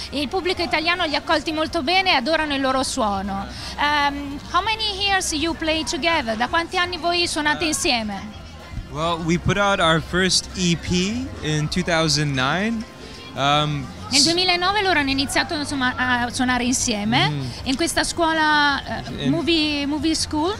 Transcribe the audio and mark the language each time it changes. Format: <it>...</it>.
<it>Il pubblico italiano li ha accolti molto bene e adorano il loro suono.</it> <en>How many years you play together?</en> <it>Da quanti anni voi suonate insieme?</it> <en>Well, we put out our first EP in 2009.</en> <it>Nel 2009 loro hanno iniziato insomma a suonare insieme in questa scuola movie school.</it>